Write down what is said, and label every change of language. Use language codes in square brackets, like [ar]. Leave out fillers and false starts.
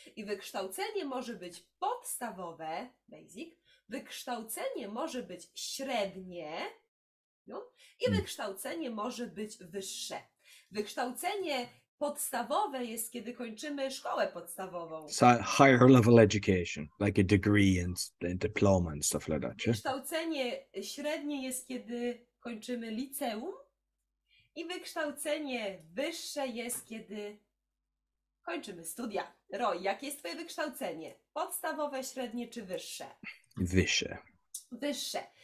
[pl] I wykształcenie może być podstawowe, basic. Wykształcenie może być średnie. No? I wykształcenie może być wyższe. Wykształcenie podstawowe jest, kiedy kończymy szkołę podstawową. [en] So higher level education, like a degree and diploma and stuff like that. Yeah? [pl] Wykształcenie średnie jest, kiedy kończymy liceum i wykształcenie wyższe jest, kiedy kończymy studia. Roy, jakie jest twoje wykształcenie? Podstawowe, średnie czy wyższe? Wyższe. Wyższe.